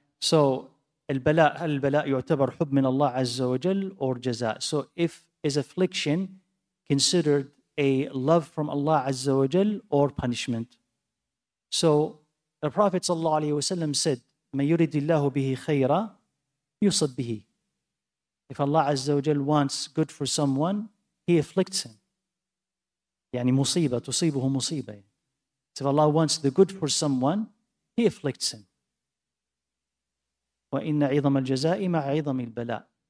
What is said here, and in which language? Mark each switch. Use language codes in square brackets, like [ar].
[ar] So البلاء, هل البلاء يعتبر حب من الله عز وجل or جزاء? [en] So if is affliction considered a love from Allah عز وجل or punishment? So the Prophet [ar] صلى الله عليه وسلم [en] said, [ar] من يريد الله به خيرا يصب به. [en] If Allah عز وجل wants good for someone, he afflicts him. [ar] يعني مصيبة, تصيبه مصيبة. [en] So if Allah wants the good for someone, he afflicts him. [ar] وَإِنَّ عِظَمَ الْجَزَاءِ مَعْ عِظَمِ الْبَلَاءِ.